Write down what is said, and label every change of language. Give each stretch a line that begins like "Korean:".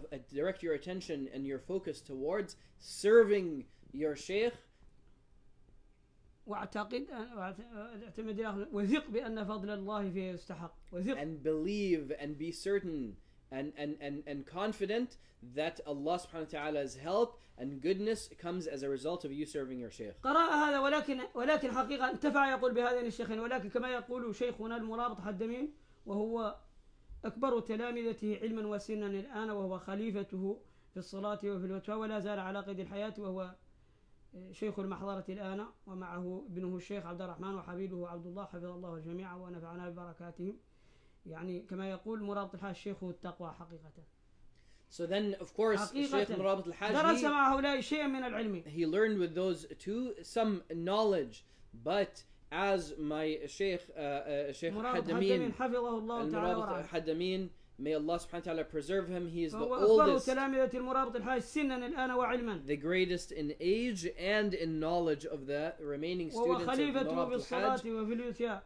English: direct your attention and your focus towards serving your sheikh.
Arabic: واعتقد واعتمد وثق بأن فضل الله فيه يستحق وثق.
English: And believe and be certain and confident that Allah subhanahu wa ta'ala's help and goodness comes as a result of you serving your sheikh.
Arabic: قرأ هذا ولكن حقيقة انتفع يقول بهذين الشيخين ولكن كما يقول شيخنا المرابط حدمي وهو أكبر تلامذته علما وسنا الآن وهو خليفته في الصلاة وفي الفتوى ولا زال على قيد الحياة وهو شيخ المحضرة الآن ومعه ابنه الشيخ عبد الرحمن وحبيبه عبد الله حفظ الله الجميع ونفعنا ببركاتهم يعني كما يقول مرابط الحاج الشيخ التقوى حقيقة.
English: So then of course Sheikh Murabit al-Hajj
Arabic: درس مع هؤلاء شيء من العلم.
English: He learned with those two some knowledge, but as my Sheikh Sheikh Hadamin
Arabic: حفظه الله تعالى
English: مرابط حدمين may Allah subhanahu wa ta'ala preserve him. He is the oldest, the greatest in age and in knowledge of the remaining students of Murabit al-Hajj.